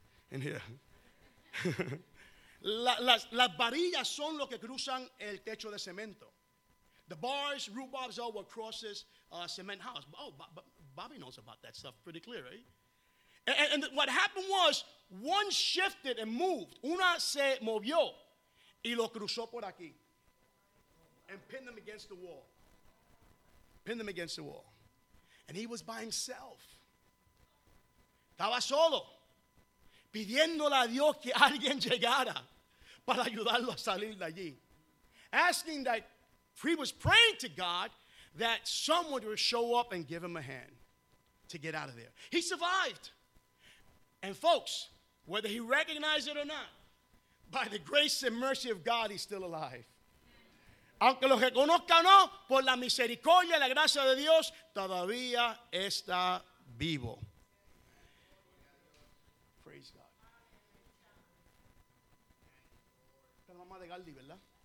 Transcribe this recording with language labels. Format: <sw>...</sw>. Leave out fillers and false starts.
<en>In here.</en> <es>las varillas son lo que cruzan el techo de cemento.</es> <en>The bars, rhubarbs are what crosses a cement house. Bobby knows about that stuff pretty clear, right? And what happened was, one shifted and moved.</en> <es>Una se movió y lo cruzó por aquí.</es> <en>And pinned them against the wall. And he was by himself.</en> <es>Estaba solo. Pidiéndole a Dios que alguien llegara para ayudarlo a salir de allí.</es> <en>Asking that, he was praying to God that someone would show up and give him a hand to get out of there. He survived. And folks, whether he recognized it or not, by the grace and mercy of God, he's still alive.</en> <es>Aunque lo reconozca o no, por la misericordia y la gracia de Dios, todavía está vivo.</es> <en>Praise God.</en> <es>Esta es la mamá de Galdi, ¿verdad?</es>